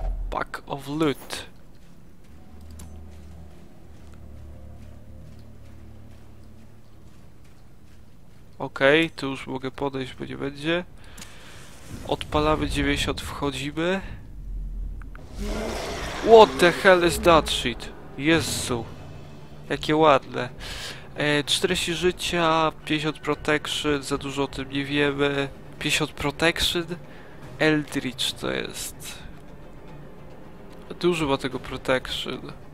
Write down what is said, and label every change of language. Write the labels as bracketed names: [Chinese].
[English] Pack of loot. [Polish] Okej, okay, tu już mogę podejść, bo nie będzie. Odpalamy 90, wchodzimy. [English] What the hell is that shit? [Polish] Jezu. Jakie ładne. 40 życia, 50 protection, za dużo o tym nie wiemy. 50 protection? Eldritch to jest. Dużo ma tego protection.